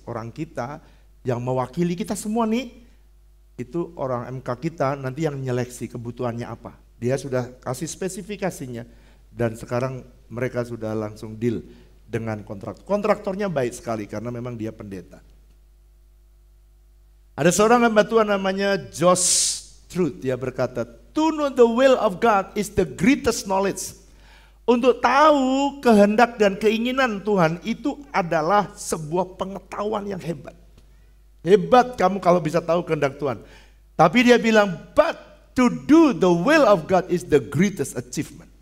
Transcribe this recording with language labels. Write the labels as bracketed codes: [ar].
[id] Orang kita yang mewakili kita semua nih, itu orang MK kita nanti yang nyeleksi kebutuhannya apa. Dia sudah kasih spesifikasinya dan sekarang mereka sudah langsung deal dengan kontraktor. Kontraktornya baik sekali karena memang dia pendeta. Ada seorang hamba Tuhan namanya Josh Truth. Dia berkata, [en] "To know the will of God is the greatest knowledge." [id] Untuk tahu kehendak dan keinginan Tuhan itu adalah sebuah pengetahuan yang hebat. Hebat kamu kalau bisa tahu kehendak Tuhan. Tapi dia bilang, [en] "But to do the will of God is the greatest achievement."